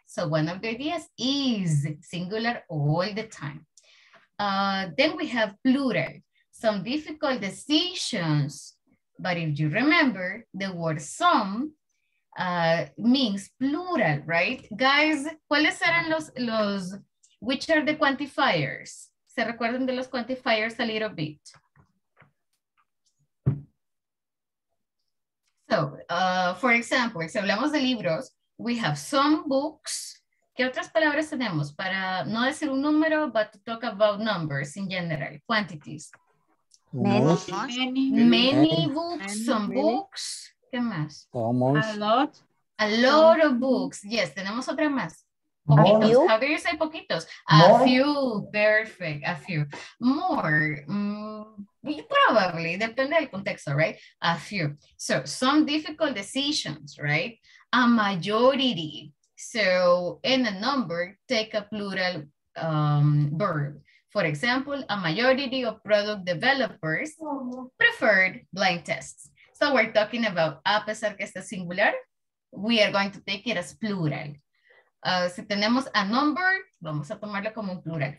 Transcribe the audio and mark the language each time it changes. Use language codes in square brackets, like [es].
[en] So one of the ideas is singular all the time. Then we have plural, some difficult decisions. But if you remember, the word some means plural, right? Guys, [es] ¿cuáles eran [en] which are the quantifiers? [es] ¿Se recuerdan de los quantifiers [en] a little bit? So, for example, [es] si hablamos de libros, [en] we have some books. [es] ¿Qué otras palabras tenemos para no decir un número, [en] but to talk about numbers in general, quantities? Many books. [es] ¿Qué más? [en] Almost. A lot of books. Yes, [es] tenemos otra más. Poquitos. [en] How do you say poquitos? More. A few, perfect, a few. More, probably, [es] depende del contexto, [en] right? A few. So, some difficult decisions, right? A majority. So, in a number, take a plural verb. For example, a majority of product developers preferred blind tests. So, we're talking about, [es] a pesar que está singular, [en] we are going to take it as plural. [es] Si tenemos [en] a number, [es] vamos a tomarlo como un plural.